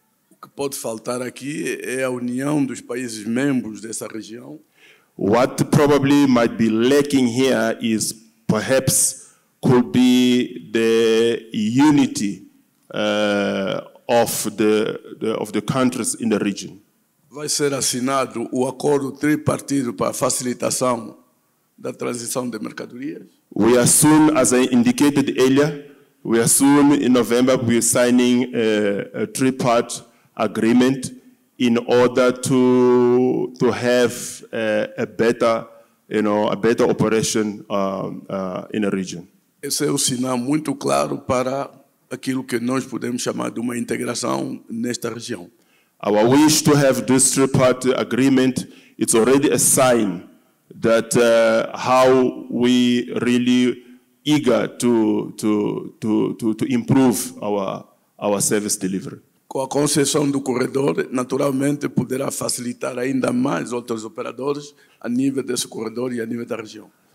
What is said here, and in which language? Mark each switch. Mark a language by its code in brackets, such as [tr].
[pt] O que pode faltar aqui é a união dos países membros dessa região. [en] What probably might be lacking here is perhaps could be the unity of the countries in the region. [pt] Vai ser assinado o acordo tripartido para facilitação da transição de mercadorias. [en] We are soon, as I indicated earlier, we are soon in November we are signing a three-part agreement in order to have a better, you know, a better operation in a region. [pt] Esse é um sinal muito claro para aquilo que nós podemos chamar de uma integração nesta região. [en] Our wish to have this three-part agreement, it's already a sign that how we really eager to improve our service delivery. [pt] Com a concessão do corredor, naturalmente poderá facilitar ainda mais outros operadores a nível desse corredor e a nível da região.